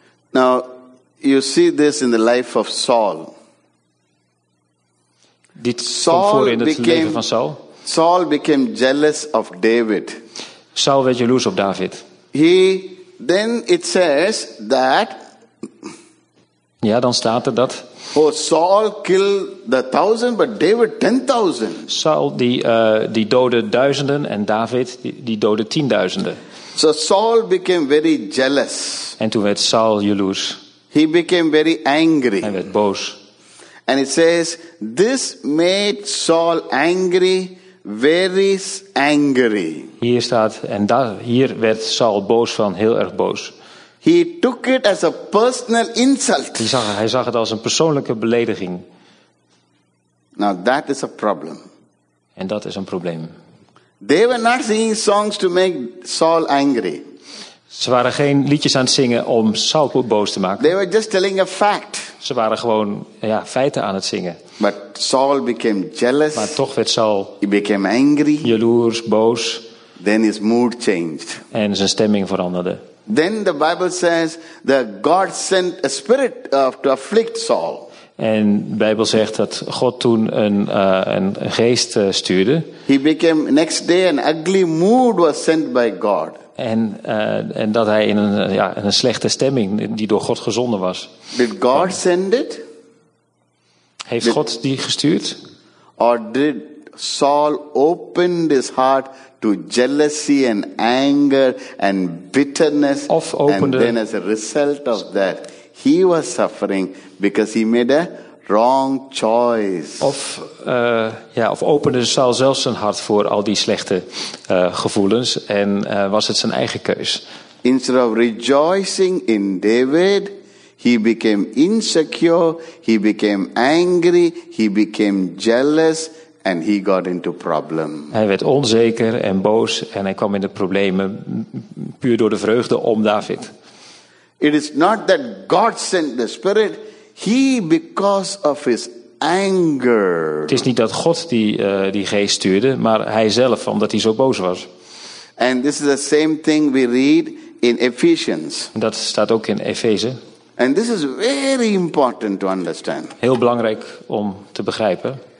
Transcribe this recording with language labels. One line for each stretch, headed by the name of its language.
English: Now, you see this in the life of Saul.
Dutch: Dit Saul komt voor in het leven van Saul.
English: Saul became jealous of David.
Dutch: Saul werd jaloers op David.
English: Then it says that.
Dutch: Ja, dan staat er dat.
English: Oh, Saul killed the 1,000, but David 10,000.
Dutch: Saul die doodde duizenden en David die doodde tienduizenden.
English: So Saul became very jealous.
Dutch: En toen werd Saul jaloers.
English: He became very angry.
Dutch: Hij werd boos.
English: And it says this made Saul angry, very angry.
Dutch: Hier staat en hier werd Saul boos van, heel erg boos.
English: He took it as a personal insult.
Dutch: Hij zag het als een persoonlijke belediging.
English: Now that is a problem.
Dutch: En dat is een probleem.
English: They were not singing songs to make Saul angry.
Dutch: Ze waren geen liedjes aan het zingen om Saul boos te maken.
English: They were just telling a fact.
Dutch: Ze waren gewoon feiten aan het zingen.
English: But Saul became jealous.
Dutch: Maar toch werd Saul.
English: He became angry.
Dutch: Jaloers, boos.
English: Then his mood changed.
Dutch: En zijn stemming veranderde.
English: Then the Bible says that God sent a spirit to afflict Saul.
Dutch: En de Bijbel zegt dat God toen een geest stuurde.
English: He became next day an ugly mood was sent by God.
Dutch: En dat hij in een slechte stemming die door God gezonden was.
English: Did God send it?
Dutch: Heeft God die gestuurd?
English: Or did Saul open his heart to jealousy and anger and bitterness, and then as a result of that, he was suffering because he made a wrong choice.
Dutch: Of opende Saul zelfs zijn hart voor al die slechte gevoelens en was het zijn eigen keus?
English: Instead of rejoicing in David, he became insecure, he became angry, he became jealous. And he got into problem.
Dutch: Hij werd onzeker en boos en hij kwam in de problemen puur door de vreugde om David.
English: It is not that God sent the spirit, he because of his anger.
Dutch: Het is niet dat God die geest stuurde, maar hij zelf, omdat hij zo boos was.
English: And this is the same thing we read in Ephesians.
Dutch: Dat staat ook in Efeze.
English: And this is very important to understand.
Dutch: Heel belangrijk om te begrijpen.